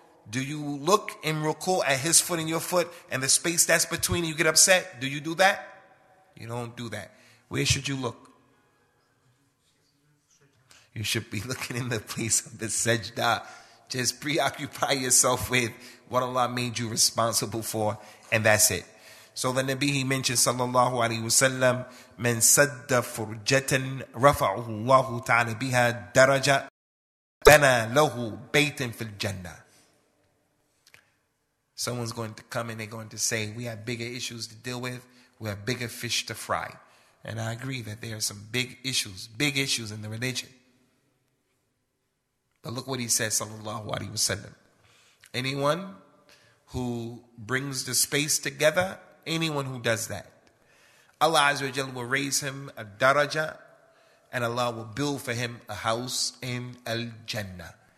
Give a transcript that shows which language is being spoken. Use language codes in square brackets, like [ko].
[en] Do you look in rukur at his foot and your foot and the space that's between and you get upset? Do you do that? You don't do that. Where should you look? You should be looking in the place of the sajda. Just preoccupy yourself with what Allah made you responsible for. And that's it. So the Nabi, he mentioned, [ar] sallallahu alayhi wa sallam, من سد فرجتن رفعه الله تعالى بها درجة بنا له بيت في الجنة. [en] Someone's going to come and they're going to say, we have bigger issues to deal with. We have bigger fish to fry. And I agree that there are some big issues in the religion. But look what he says, sallallahu alayhi wa sallam. Anyone who brings the space together, anyone who does that, Allah Azza wa Jalla will raise him a daraja and Allah will build for him a house in Al-Jannah.